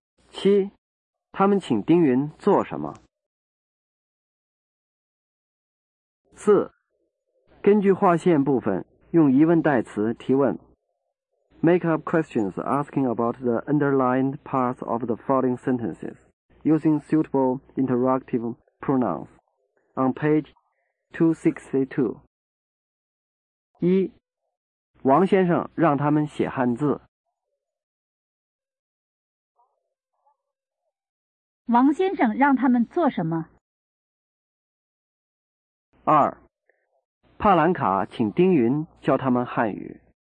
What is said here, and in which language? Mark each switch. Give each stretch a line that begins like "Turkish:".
Chinese: 七，他们请丁云做什么？四，根据划线部分用疑问代词提问。
English: Make up questions asking about the underlined parts of the following sentences using suitable interrogative pronouns. On page 262.
Chinese: 一，王先生让他们写汉字。王先生让他们做什么？二，帕兰卡请丁云教他们汉语。